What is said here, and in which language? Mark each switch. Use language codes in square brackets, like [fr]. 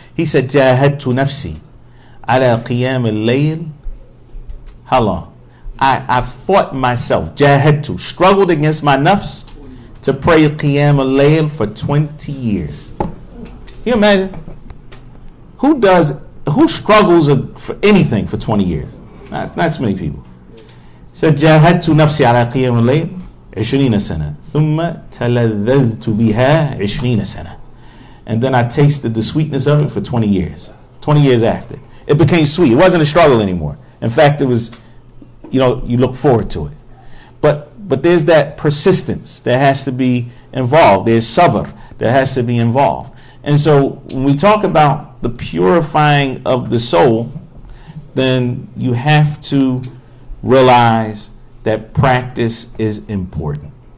[en] He said, [ar] "Jahadtu nafsi." Ala qiyam al-layl. [en] How long? I fought myself, jahadtu, struggled against my nafs to pray qiyam al-layl for 20 years. Can you imagine? Who does who struggles for anything for 20 years? Not so many people. He said, [ar] جَاهَدْتُ نَفْسِي عَلَى قِيَمُ اللَّيْلِ 20 سَنَةً ثُمَّ تَلَذَّذْتُ بِهَا 20 سَنَةً. [en] And then I tasted the sweetness of it for 20 years. 20 years after. It became sweet. It wasn't a struggle anymore. In fact, it was, you know, you look forward to it. But there's that persistence that has to be involved. There's sabr that has to be involved. And so when we talk about the purifying of the soul, then you have to realize that practice is important.